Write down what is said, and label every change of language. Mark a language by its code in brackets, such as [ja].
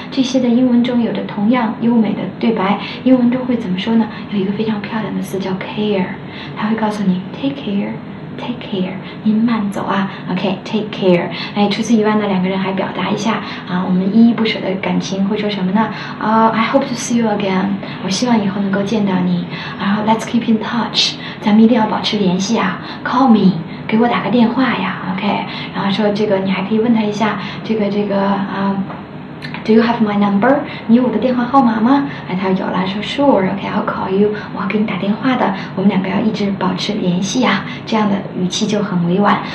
[zh] 这些的英文中有着同样优美的对白，英文中会怎么说呢？有一个非常漂亮的词叫 care, 它会告诉你 [en] take care, take care, [zh] 您慢走啊。 [en] OK, take care。 [zh] 哎，除此以外呢，两个人还表达一下啊，我们依依不舍的感情会说什么呢？ [en] I hope to see you again, [zh] 我希望以后能够见到你。 [en] 然后 let's keep in touch. [zh] 咱们一定要保持联系啊 ， [en] call me, [zh] 给我打个电话呀 ，OK。然后说这个，你还可以问他一下，这个啊、， [en] Do you have my number? [zh] 你有我的电话号码吗？哎，他有了，说 [en] Sure, OK, I'll call you, [zh] 我要给你打电话的。我们两个要一直保持联系啊，这样的语气就很委婉。